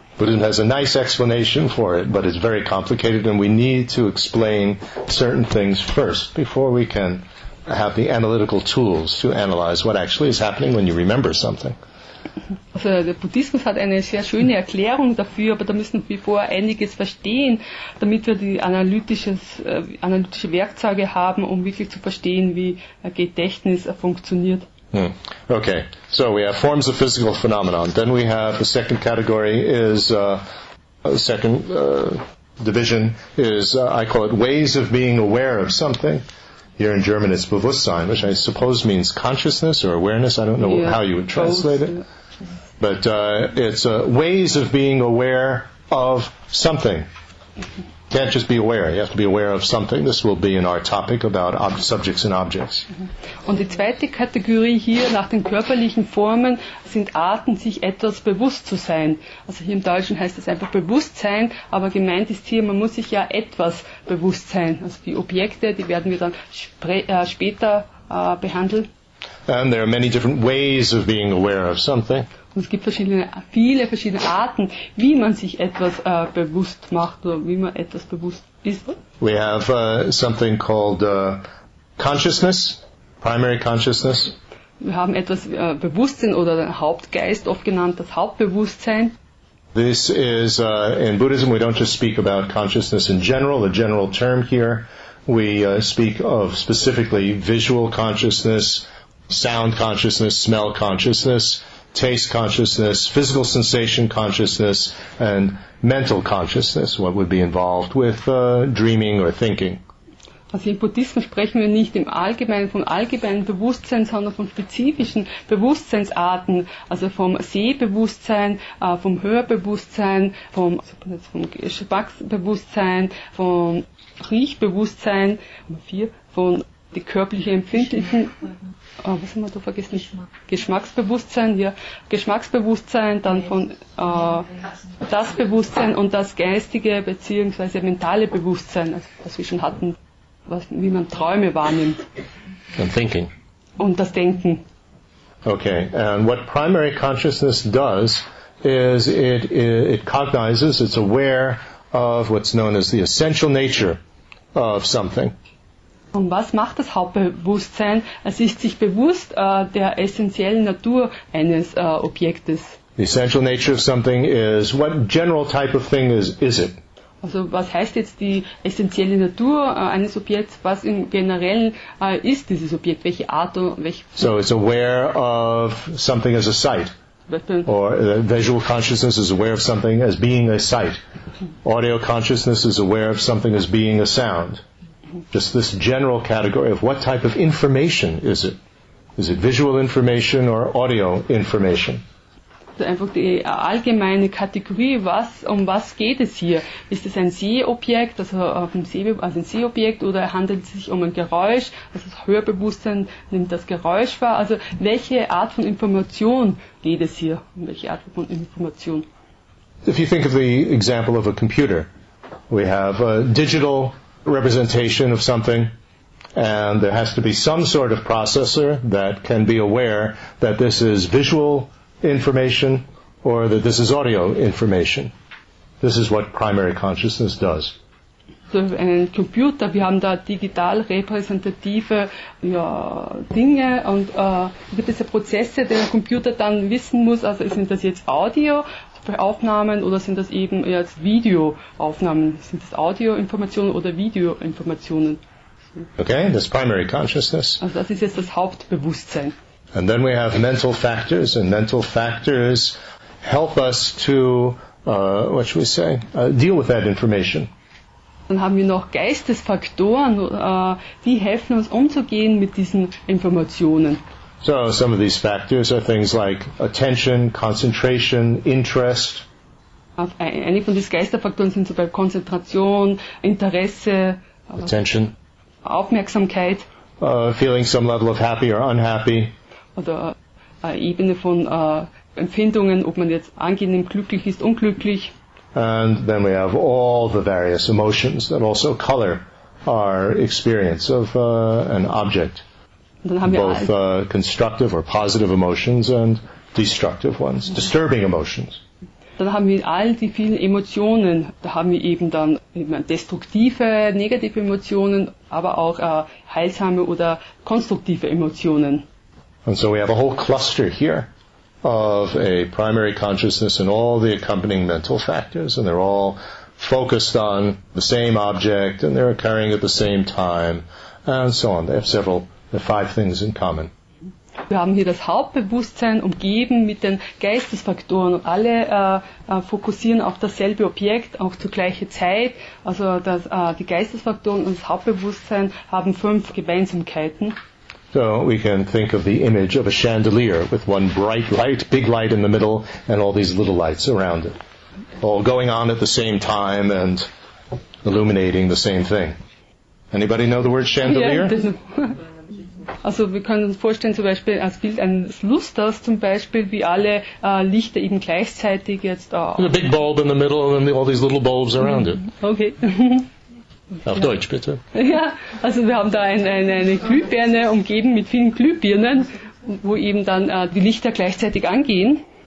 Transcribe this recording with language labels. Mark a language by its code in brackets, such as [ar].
[en] Buddhism has a nice explanation for it, but it's very complicated and we need to explain certain things first before we can have the analytical tools to analyze what actually is happening when you remember something. [de] Also der Buddhismus hat eine sehr schöne Erklärung dafür, aber da müssen wir vorher einiges verstehen, damit wir die analytische Werkzeuge haben, um wirklich zu verstehen, wie Gedächtnis funktioniert. [en] Okay, so we have forms of physical phenomenon. Then we have the second category is, I call it ways of being aware of something. Here in German it's Bewusstsein, which I suppose means consciousness or awareness. I don't know how you would translate it. But it's ways of being aware of something. Can't just be aware, you have to be aware of something. This will be in our topic about subjects and objects. [de] Und die zweite Kategorie hier nach den körperlichen Formen sind Arten, sich etwas bewusst zu sein. Also hier im Deutschen heißt es einfach Bewusstsein, aber gemeint ist hier, man muss sich ja etwas bewusst sein. Also die Objekte, die werden wir dann später behandeln. [en] And there are many different ways of being aware of something. [de] Und es gibt viele verschiedene Arten, wie man sich etwas bewusst macht oder wie man etwas bewusst ist. [en] We have something called consciousness, primary consciousness. [de] Wir haben etwas Bewusstsein oder den Hauptgeist, oft genannt das Hauptbewusstsein. [en] This is, in Buddhism, we don't just speak about consciousness in general, a general term here. We speak of specifically visual consciousness, sound consciousness, smell consciousness, taste consciousness, physical sensation consciousness, and mental consciousness, what would be involved with dreaming or thinking. [de] Also im Buddhismus sprechen wir nicht im Allgemeinen von allgemeinem Bewusstsein, sondern von spezifischen Bewusstseinsarten, also vom Sehbewusstsein, vom Hörbewusstsein, vom Geschmacksbewusstsein, vom Riechbewusstsein, vier, von die körperliche Empfindlichen. was haben wir da vergessen? Geschmacksbewusstsein, ja. Geschmacksbewusstsein, dann von das Bewusstsein und das geistige bzw. mentale Bewusstsein, also, was wir schon hatten, was, wie man Träume wahrnimmt. [en] And thinking. [de] Und das Denken. [en] Okay, and what primary consciousness does is it cognizes, it's aware of what's known as the essential nature of something. [de] Und was macht das Hauptbewusstsein? Es ist sich bewusst der essentiellen Natur eines Objektes. [en] The essential nature of something is what general type of thing is it? [de] Also was heißt jetzt die essentielle Natur eines Objekts? Was im Generellen ist dieses Objekt? Welche Art und welche? [en] So it's aware of something as a sight. Or visual consciousness is aware of something as being a sight. Audio consciousness is aware of something as being a sound. Just this general category of what type of information is it? Is it visual information or audio information? [de] Einfach die allgemeine Kategorie, was, um was geht es hier? Ist es ein Sehobjekt, also ein Sehobjekt, oder handelt es sich um ein Geräusch? Also das Hörbewusstsein nimmt das Geräusch wahr. Also welche Art von Information geht es hier? Um welche Art von Information? [en] If you think of the example of a computer, we have a digital representation of something, and there has to be some sort of processor that can be aware that this is visual information or that this is audio information. This is what primary consciousness does. [de] So ein Computer, wir haben da digital repräsentative Dinge und gewisse Prozesse, die ein Computer dann wissen muss, also sind das jetzt Audioaufnahmen oder sind das eben jetzt Videoaufnahmen? Sind das Audioinformationen oder Videoinformationen? [en] Okay, that's primary consciousness. [de] Also das ist jetzt das Hauptbewusstsein. [en] And then we have mental factors, and mental factors help us to, what should we say, deal with that information. [de] Dann haben wir noch Geistesfaktoren, die helfen uns umzugehen mit diesen Informationen. [en] So some of these factors are things like attention, concentration, interest. [de] Einige von diesen Geistesfaktoren sind zum Beispiel Konzentration, Interesse, [en] attention. [de] Aufmerksamkeit. [en] Feeling some level of happy or unhappy. [de] Oder Ebene von Empfindungen, ob man jetzt angenehm glücklich ist, unglücklich. [en] And then we have all the various emotions that also color our experience of an object. Both constructive or positive emotions and destructive ones, disturbing emotions. [de] Dann haben wir all die vielen Emotionen. Da haben wir eben dann eben destruktive, negative Emotionen, aber auch heilsame oder konstruktive Emotionen. [en] And so we have a whole cluster here of a primary consciousness and all the accompanying mental factors, and they're all focused on the same object, and they're occurring at the same time, and so on. They have several, they have five things in common. [de] Wir haben hier das Hauptbewusstsein umgeben mit den Geistesfaktoren, und alle fokussieren auf dasselbe Objekt, auch zur gleichen Zeit. Also das, die Geistesfaktoren und das Hauptbewusstsein haben fünf Gemeinsamkeiten. [en] So we can think of the image of a chandelier with one bright light, big light in the middle, and all these little lights around it, all going on at the same time and illuminating the same thing. Anybody know the word chandelier? [de] Also wir können uns vorstellen, zum Beispiel als Bild eines Lusters, zum Beispiel, wie alle Lichter eben gleichzeitig jetzt auch. [en] A big bulb in the middle and all these little bulbs around it. Okay. [de] Auf Deutsch, bitte. Ja, also wir haben da eine Glühbirne umgeben mit vielen Glühbirnen, wo eben dann die Lichter gleichzeitig angehen.